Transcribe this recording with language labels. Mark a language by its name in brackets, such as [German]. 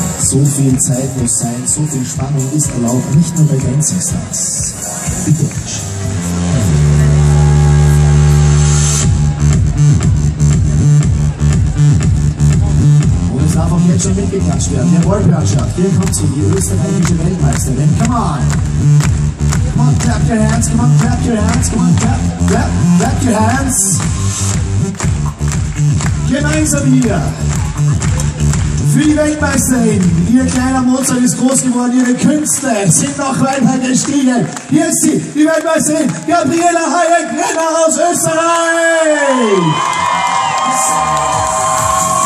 [German] So viel Zeit muss sein, so viel Spannung ist erlaubt, nicht nur bei Dancing Stars. Bitte. Und es darf auch jetzt schon mitgeklatscht werden. Jawohl, Bernschaft, hier kommt sie, die österreichische Weltmeisterin. [English] Come on! Come on, clap your hands, come on, clap your hands, come on, clap, clap, clap your hands! [German] Gemeinsam hier! Für die Weltmeisterin, ihr kleiner Mozart ist groß geworden, ihre Künstler sind noch weiter gestiegen. Hier ist sie, die Weltmeisterin, Gabriela Hayek-Renner aus Österreich!